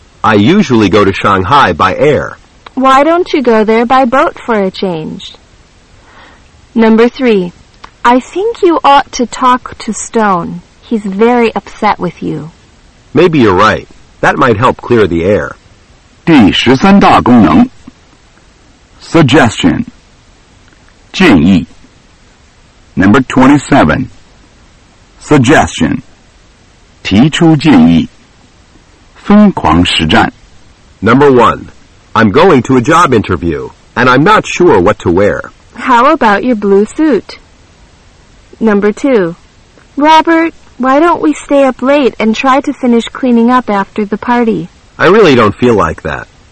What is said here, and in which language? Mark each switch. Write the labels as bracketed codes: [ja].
[en] I usually go to Shanghai by air. Why don't you go there by boat for a change? Number 3. I think you ought to talk to Stone. He's very upset with you. Maybe you're right. That might help clear the air. [zh] 第十三大功能 Suggestion 建议 Number 27 Suggestion 提出建议疯狂实战 [en] Number 1 I'm going to a job interview, and I'm not sure what to wear. How about your blue suit? Number 2 Robert... Why don't we stay up late and try to finish cleaning up after the party? I really don't feel like that.